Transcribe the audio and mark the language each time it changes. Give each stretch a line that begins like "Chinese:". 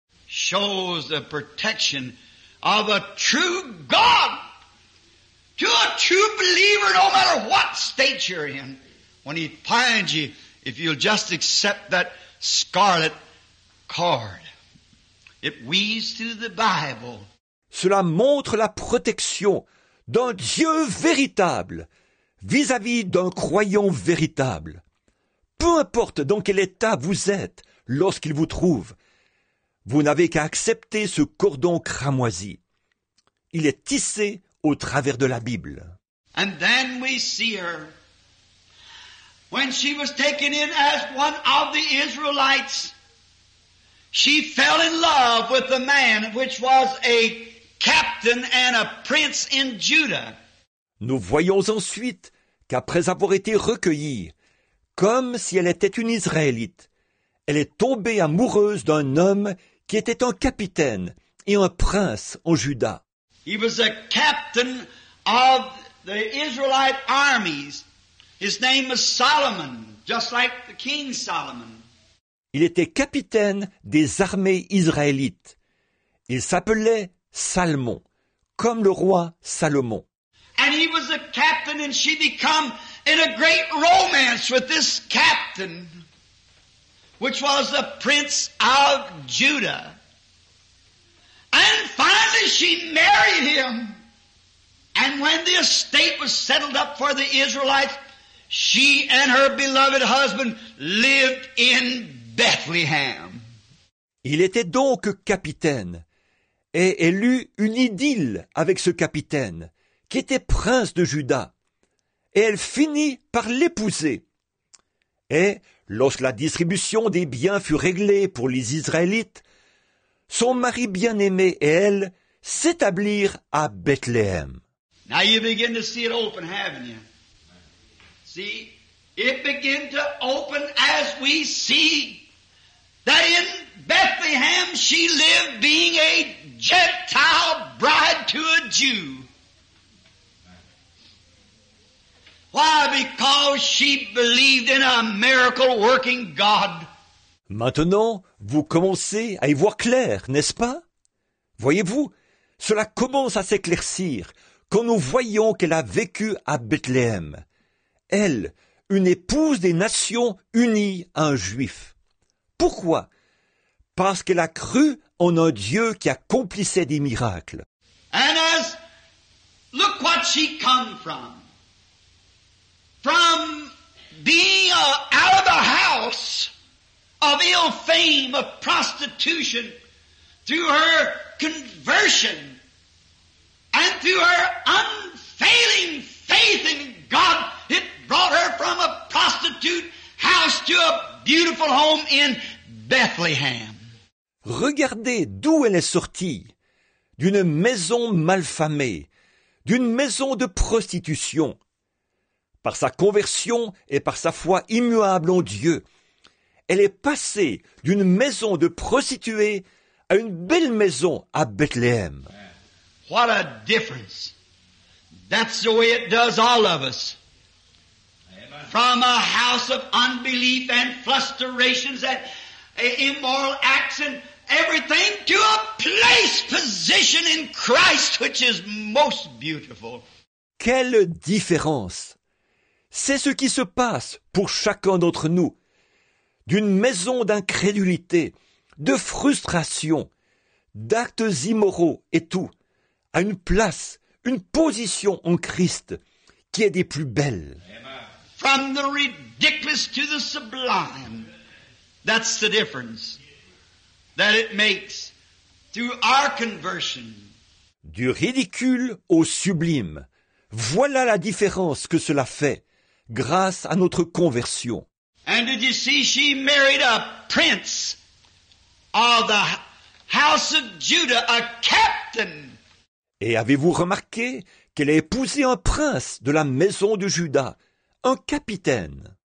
English: Shows the protection of a true God to a true believer, no matter what state you're in. When he finds you, if you'll just accept that scarlet cord. It weaves through the Bible.
French: Cela montre la protection d'un Dieu véritable vis-à-vis d'un croyant véritable. Peu importe dans quel état vous êtes lorsqu'il vous trouve, vous n'avez qu'à accepter ce cordon cramoisi. Il est tissé au travers de la Bible.
English: And then we see her when she was taken in as one of the Israelites. She fell in love with the man which was a captain and a prince in Judah.
French: Nous voyons ensuite qu'après avoir été recueillie, comme si elle était une Israélite, elle est tombée amoureuse d'un homme qui était un capitaine et un prince en Juda.
English: He was a captain of the Israelite armies. His name was Solomon, just like the king Solomon.
French: Il était capitaine des armées israélites. Il s'appelait Salomon, comme le roi Salomon.
English: And he was a captain and she became in a great romance with this captain, which was the prince of Judah. And finally she married him. And when the estate was settled up for the Israelites, she and her beloved husband lived in Bethlehem.
French: Il était donc capitaine, et elle eut une idylle avec ce capitaine, qui était prince de Juda, et elle finit par l'épouser. Et lorsque la distribution des biens fut réglée pour les Israélites, son mari bien-aimé et elle s'établirent à Bethléem.
English: Now you begin to see it open, haven't you? See, it began to open as we see that in Bethlehem she lived being a Gentile bride to a Jew. Why? Because she believed in a miracle-working God.
French: Maintenant, vous commencez à y voir clair, n'est-ce pas? Voyez-vous, cela commence à s'éclaircir quand nous voyons qu'elle a vécu à Bethléem. Elle, une épouse des nations unie à un juif. Pourquoi? Parce qu'elle a cru en un Dieu qui accomplissait des miracles.
English: And as, look what she come from. From being out of the house of ill fame, of prostitution, through her conversion, and through her unfailing faith in God, it brought her from a prostitute house to a beautiful home in Bethlehem.
French: Regardez d'où elle est sortie, d'une maison malfamée, d'une maison de prostitution. Par sa conversion et par sa foi immuable en Dieu, elle est passée d'une maison de prostituée à une belle maison à Bethléem.
English: What a difference! That's the way it does all of us. From a house of unbelief and frustrations and immoral acts and everything to a place position in Christ which is most beautiful.
French: Quelle différence! C'est ce qui se passe pour chacun d'entre nous. D'une maison d'incrédulité, de frustration, d'actes immoraux et tout, à une place, une position en Christ qui est des plus belles.
English: From the ridiculous to the sublime, that's the difference that it makes through our conversion.
French: Du ridicule au sublime, voilà la différence que cela fait grâce à notre conversion.
English: And did you see she married a prince of the house of Judah, a captain?
French: Et avez-vous remarqué qu'elle a épousé un prince de la maison de Juda, un capitaine?